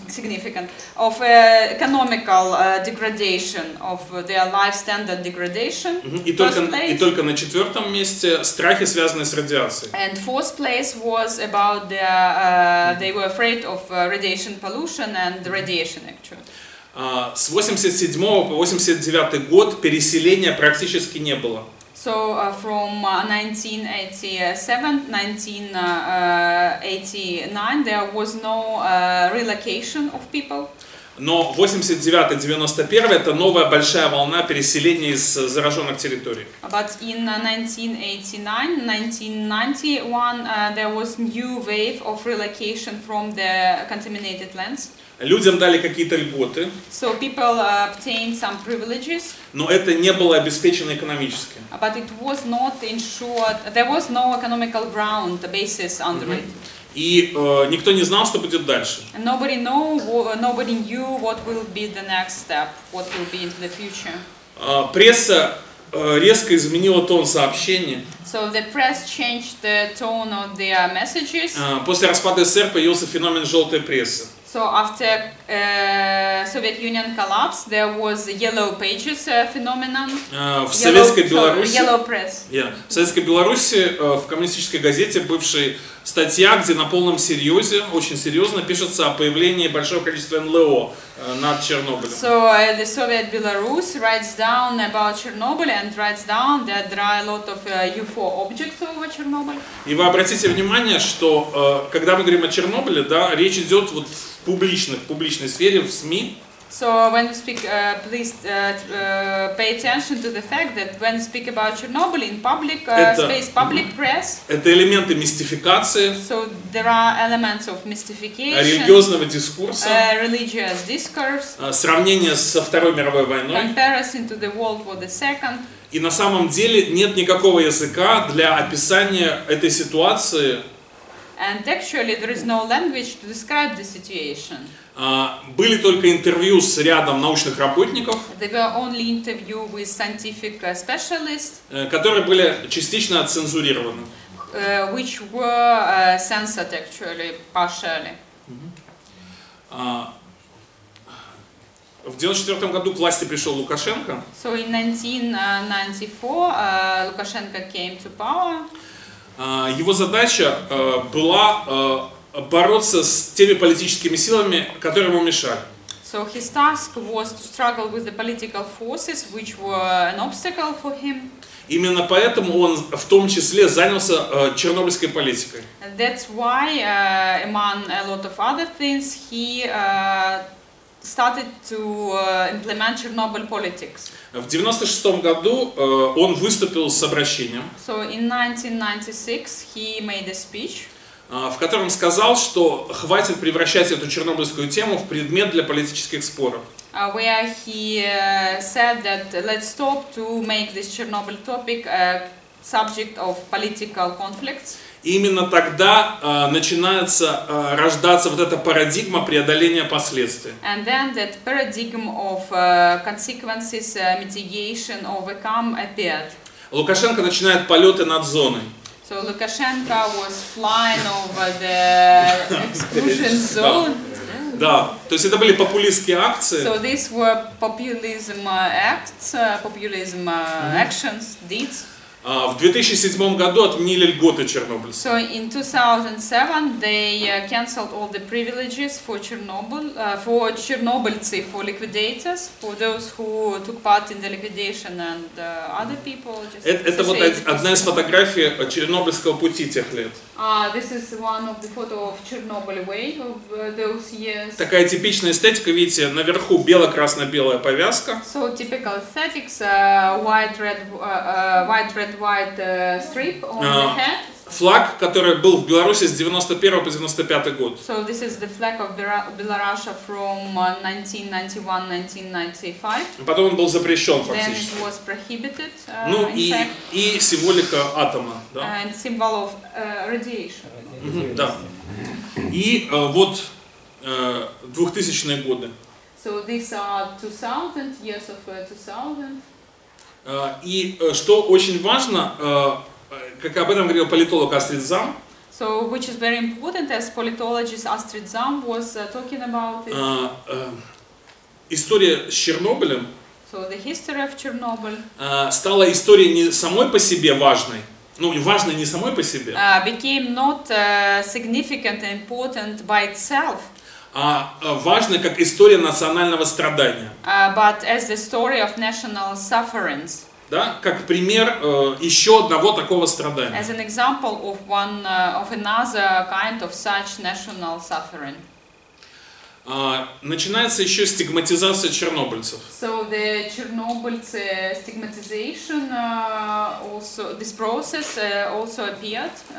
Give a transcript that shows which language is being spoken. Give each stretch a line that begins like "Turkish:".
English: Significant of economical degradation of their life standard degradation.
Russian: И только на четвертом месте страхи, связанные с радиацией.
English: And fourth place was about the they were afraid of radiation pollution and radiation actually.
Russian: С 87 по 89 год переселения практически не было.
English: So from 1987-1989 there was no relocation of people.
Russian: Но 89-91 это новая большая волна переселения из зараженных территорий.
English: But in 1989-1991 there was new wave of relocation from the contaminated lands.
Russian: Людям дали какие-то льготы.
English: So people obtained some privileges.
Russian: Но это не было обеспечено экономически.
English: But it was not ensured. There was no economical ground, the basis under it.
Russian: И никто не знал, что будет дальше.
English: Nobody know, nobody knew what will be the next step, what will be into the future.
Russian: Пресса резко изменила тон сообщений.
English: So the press changed the tone of their messages.
Russian: После распада СССР появился феномен желтой прессы.
English: So after Soviet Union collapse, there was yellow pages phenomenon.
Russian: В Советской Беларуси.
English: Yellow press.
Russian: В Советской Беларуси в коммунистической газете бывшей статья, где на полном серьезе, очень серьезно пишется о появлении большого количества НЛО над Чернобылем.
English: So the Soviet Belarus writes down about Chernobyl and writes down that there are a lot of UFO objects over Chernobyl.
Russian: И вы обратите внимание, что когда мы говорим о Чернобыле, да, речь идет вот в публичной сфере, в СМИ.
English: So when you speak, please pay attention to the fact that when you speak about Chernobyl in public space, public press.
Russian: Это элементы мистификации.
English: So there are elements of mystification.
Russian: Религиозного дискурса.
English: Religious discourse.
Russian: Сравнение со Второй мировой войной.
English: Comparison to the World War II.
Russian: И на самом деле нет никакого языка для описания этой ситуации.
English: And actually, there is no language to describe the situation.
Russian: Были только интервью с рядом научных работников.
English: There were only interview with scientific specialists.
Russian: Которые были частично отцензурированы.
English: Which were censored actually partially.
Russian: В 94 году к власти пришел Лукашенко.
English: So in 1994 Лукашенко came to power.
Russian: Его задача была бороться с теми политическими силами, которые ему мешали.
English: So his task was to struggle with the political forces, which were an obstacle for him.
Russian: Именно поэтому он в том числе занялся чернобыльской политикой.
English: And that's why, among a lot of other things, he started to implement Chernobyl politics.
Russian: В 96 году он выступил с обращением.
English: So in 1996 he made a speech,
Russian: в котором сказал, что хватит превращать эту чернобыльскую тему в предмет для политических споров.
English: Where he said that let's stop to make this Chernobyl topic a subject of political conflicts.
Russian: Именно тогда начинается рождаться вот эта парадигма преодоления последствий.
English: And then that paradigm of consequences, mitigation, overcome appeared.
Russian: Лукашенко начинает полеты над зоной.
English: So Lukashenko was flying over the exclusion zone.
Russian: Да, то есть это были популистские акции.
English: So these were populism acts, populism actions, deeds.
Russian: В 2007 году отменили льготы Чернобыля.
English: So in 2007 they cancelled all the privileges for Chernobyl, for Chernobylцы, for liquidators, for those who took part in the liquidation and other people.
Russian: Это вот одна из фотографий Чернобыльского пути тех лет.
English: This is one of the photo of Chernobyl way of those years.
Russian: Такая типичная эстетика, видите, наверху бело-красно-белая повязка.
English: So typical aesthetics, white, red, strip on the head.
Russian: Флаг, который был в Беларуси с 91 по 95 год.
English: So this is the flag of Belarus from 1991-1995.
Russian: Потом он был запрещен фактически.
English: Then it was prohibited.
Russian: Ну и символика атома, да.
English: And symbol of radiation.
Russian: Да. И вот 2000-е годы.
English: So these are 2000 years of 2000.
Russian: И что очень важно, как об этом говорил политолог Астрид Зам.
English: So, which is very important, as politologist Astrid Zam was talking about it.
Russian: История с Чернобылем.
English: So, the history of Chernobyl.
Russian: Стала историей не самой по себе важной. Ну, важной не самой по себе.
English: Became not significant and important by itself.
Russian: важной как история национального страдания.
English: But as the story of national sufferings.
Russian: Да, как пример еще одного такого страдания.
English: As an example of one of another kind of such national suffering.
Russian: Начинается еще стигматизация чернобыльцев.
English: So the Chernobyl's stigmatization also this process also appeared.